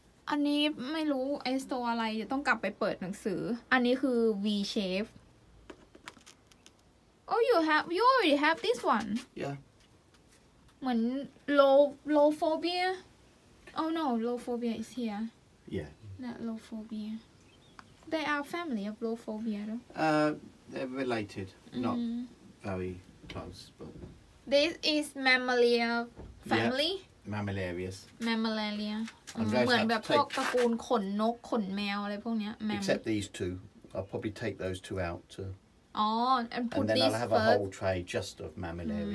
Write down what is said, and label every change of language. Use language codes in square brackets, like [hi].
[th] อันนี้ไม่รู้เอสโตอะไรต้องกลับไปเปิดหนังสืออันนี้คือ [en] V shapeOh, you already have this one. Yeah. [th] เหมือน low phobia. [en] Oh no, low phobia is here. Yeah. Not low phobia. They are family of low phobia, though. They're related, not very close, but. This is mammalia family. Yeah. Mammalarias. Mammalaria. [th] เหมือนแบบพวกตระกูลขนนกขนแมวอะไรพวกเนี้ย [en] Except these two, I'll probably take those two out to. อ๋อ and put first. And then I'll have a whole tray just of mammalarias.